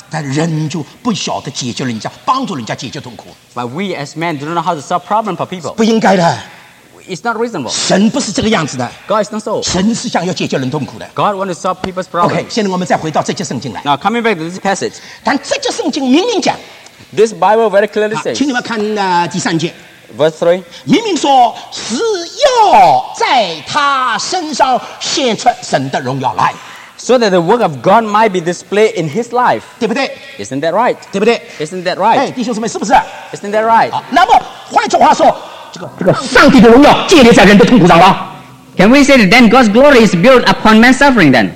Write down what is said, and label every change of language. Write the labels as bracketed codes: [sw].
[zh] 但人就不晓得解决人家，帮助人家解决痛苦。 [en] But we as men do not know how to solve problems for people. [zh] 不应该的。 [en] It's not reasonable. [zh] 神不是这个样子的。 [en] God is not so. [zh] 神是想要解决人痛苦的。 [en] God wants to solve people's problems. [zh] OK, 现在我们再回到这节圣经来。 [en] Now coming back to this passage. [zh] 但这节圣经明明讲。 [en] This Bible very clearly says. [zh] 请你们看第三节。 [en] Verse 3. [zh] 明明说是要在他身上显出神的荣耀来。 [en] So that the work of God might be displayed in his life. [zh] 对不对? [en] Isn't that right? [zh] 对不对? [en] Isn't that right? [zh] 弟兄姊妹是不是? [en] Isn't that right? [zh] 那么换句话说，这个上帝的荣耀建立在人的痛苦上了。 [en] Can we say that then God's glory is built upon man's suffering then?